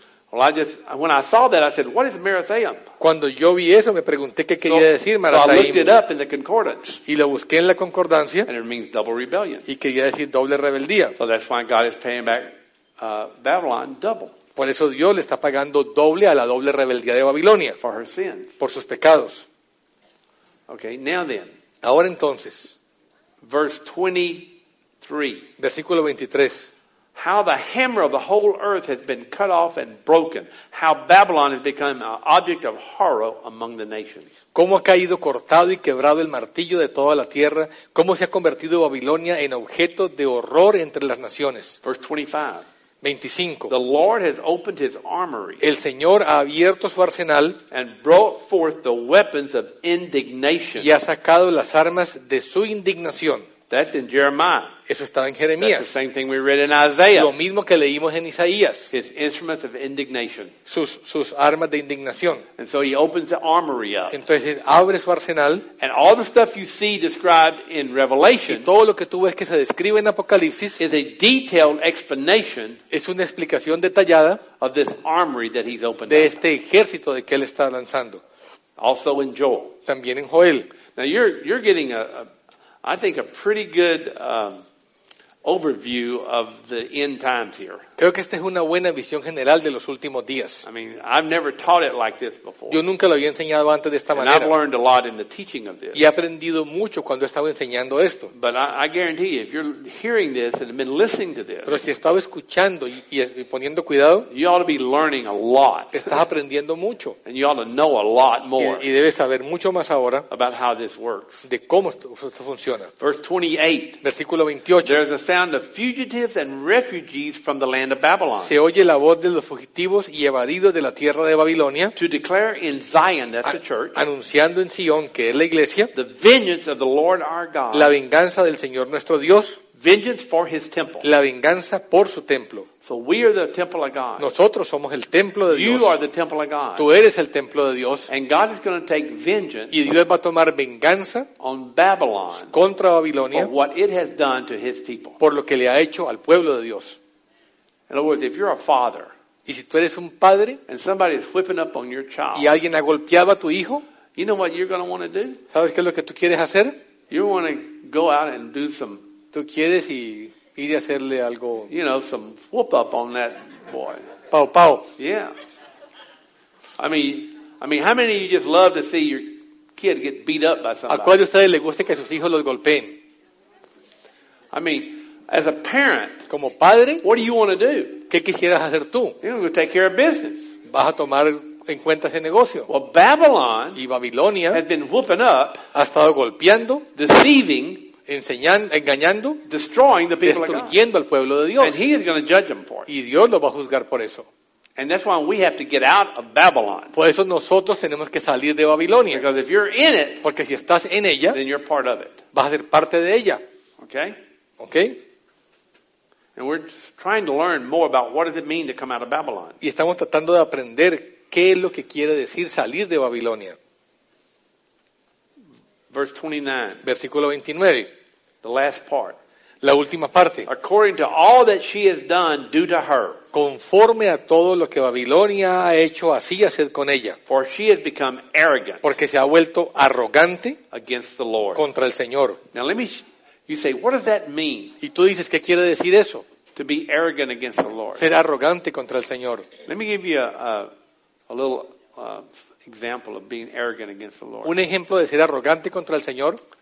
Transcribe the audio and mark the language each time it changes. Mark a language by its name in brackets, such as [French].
[English] Well, when I saw that, I said, "What is Merathaim?" [Spanish] Cuando yo vi eso, me pregunté qué quería decir Merathaim. [English] So I looked it up in the concordance. [Spanish] Y lo busqué en la concordancia. [English] And it means double rebellion. [Spanish] Y quería decir doble rebeldía. [English] So that's why God is paying back Babylon double. [Spanish] Por eso Dios le está pagando doble a la doble rebeldía de Babilonia. [English] For her sins. [Spanish] Por sus pecados. [English] Okay, now then. [Spanish] Ahora entonces. [English] Verse 23. [Spanish] Versículo 23. [English] How the hammer of the whole earth has been cut off and broken. How Babylon has become an object of horror among the nations. [Spanish] ¿Cómo ha caído cortado y quebrado el martillo de toda la tierra? ¿Cómo se ha convertido Babilonia en objeto de horror entre las naciones? [English] Verse 25. The Lord has opened his armory. [Spanish] El Señor ha abierto su arsenal. [English] And brought forth the weapons of indignation. [Spanish] Y ha sacado las armas de su indignación. [English] That's in Jeremiah. [Spanish] Eso estaba en Jeremías. [English] That's the same thing we read in Isaiah. [Spanish] Lo mismo que leímos en Isaías. [English] His instruments of indignation. [Spanish] Sus armas de indignación. [English] And so he opens the armory up. [Spanish] Entonces abre su arsenal. [English] And all the stuff you see described in Revelation. [Spanish] Y todo lo que tú ves que se describe en Apocalipsis. [English] Is a detailed explanation. [Spanish] Es una explicación detallada. [English] Of this armory that he's opened [Spanish] de [English] up. [Spanish] De este ejército de que él está lanzando. [English] Also in Joel. [Spanish] También en Joel. [English] Now you're getting I think a pretty good overview of the end times here. [Spanish] Creo que esta es una buena visión general de los últimos días. [English] I mean, I've never taught it like this before. [Spanish] Yo nunca lo había enseñado antes de esta manera. [English] And I've learned a lot in the teaching of this. [Spanish] Y he aprendido mucho cuando estaba enseñando esto. [English] But I guarantee you, if you're hearing this and been listening to this, [Spanish] pero si estaba escuchando y poniendo cuidado, [English] you ought to be learning a lot. [Spanish] Estás aprendiendo mucho. [English] And you ought to know a lot more. [Spanish] Y debes saber mucho más ahora [English] about how this works. [Spanish] De cómo esto funciona. [English] Verse 28. [Spanish] Versículo 28. [English] There's a sound of fugitives and refugees from the land. [Spanish] Se oye la voz de los fugitivos y evadidos de la tierra de Babilonia, [English] to declare in Zion, that's the church, [Spanish] anunciando en Sion, que es la iglesia, [English] the vengeance of the Lord our God, [Spanish] la venganza del Señor nuestro Dios, [English] vengeance for his temple, [Spanish] la venganza por su templo. [English] So we are the temple of God. [Spanish] Nosotros somos el templo de [English] you [Spanish] Dios. [English] Are the temple of God. [Spanish] Tú eres el templo de Dios. [English] And God is going to take vengeance, [Spanish] y Dios va a tomar venganza [English] on Babylon, [Spanish] contra Babilonia, [English] for what it has done to his people, [Spanish] por lo que le ha hecho al pueblo de Dios. [English] In other words, if you're a father, [Spanish] y si tú eres un padre, [English] and somebody is whipping up on your child, [Spanish] y alguien ha golpeado a tu hijo, [English] you know what you're going to want to do? [Spanish] ¿Sabes qué es lo que tú quieres hacer? [English] You want to go out and do some. [Spanish] Tú quieres y ir a hacerle algo. [English] You know, some whoop up on that boy. Pau pau. Yeah. I mean, how many of you just love to see your kid get beat up by somebody? [Spanish] ¿A cuál de ustedes le gusta que sus hijos los golpeen? [English] I mean. As a parent, [Spanish] como padre, [English] what do you want to do? [Spanish] ¿Qué quisieras hacer tú? [English] You're going to take care of business. [Spanish] Vas a tomar en cuenta ese negocio. [English] Well, Babylon, [Spanish] y Babilonia, [English] has been whooping up, [Spanish] ha estado golpeando, [English] deceiving, [Spanish] engañando, [English] destroying the people of God, [Spanish] destruyendo al pueblo de Dios. [English] And he is going to judge them for it. [Spanish] Y Dios lo va a juzgar por eso. [English] And that's why we have to get out of Babylon. [Spanish] Por eso nosotros tenemos que salir de Babilonia. [English] Because if you're in it, [Spanish] porque si estás en ella, [English] then you're part of it. [Spanish] Vas a ser parte de ella. [English] Okay? Okay? And we're trying to learn more about what does it mean to come out of Babylon. [Spanish] Y estamos tratando de aprender qué es lo que quiere decir salir de Babilonia. [English] Verse 29. [Spanish] Versículo 29. [English] The last part. [Spanish] La última parte. [English] According to all that she has done, do to her. [Spanish] Conforme a todo lo que Babilonia ha hecho, así haced con ella. [English] For she has become arrogant. [Spanish] Porque se ha vuelto arrogante. [English] Against the Lord. [Spanish] Contra el Señor. [English] Now let me, you say, what does that mean? [Spanish] Y tú dices, ¿qué quiere decir eso? [English] To be arrogant against the Lord. [Spanish] Ser arrogante contra el Señor. [English] Let me give you a little example of being arrogant against the Lord. [Spanish] Un ejemplo de ser arrogante contra el Señor.